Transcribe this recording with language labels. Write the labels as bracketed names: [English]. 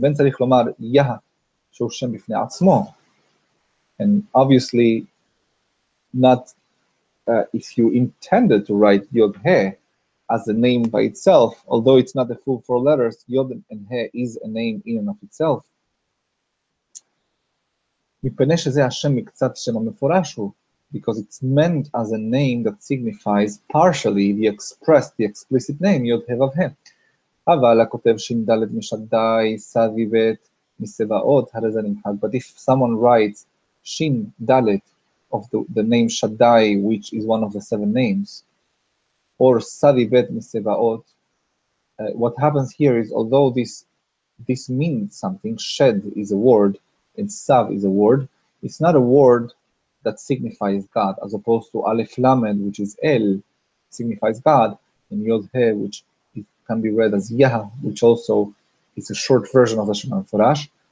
[Hebrew] Ben tzarich lomar Yah shehu shem bifnei atzmo. [English] And obviously, not if you intended to write Yod He as a name by itself, although it's not the full four letters, Yod and He is a name in and of itself. [Hebrew] מפני שזה השם מקצת שם המפורש הוא, [English] because it's meant as a name that signifies partially the expressed, the explicit name, יוד הו הו. [Hebrew] אבל הכותב שם ד' משדאי, סבי ב' מסבאות, הרי זה נמחק. [English] But if someone writes שם ד' of the name שדאי, which is one of the seven names, or סבי ב' מסבאות, what happens here is, although this means something, shed is a word, and Sav is a word, it's not a word that signifies God, as opposed to Aleph Lamed, which is El, signifies God, and Yod He, which it can be read as Yah, which also is a short version of the Shema Farash.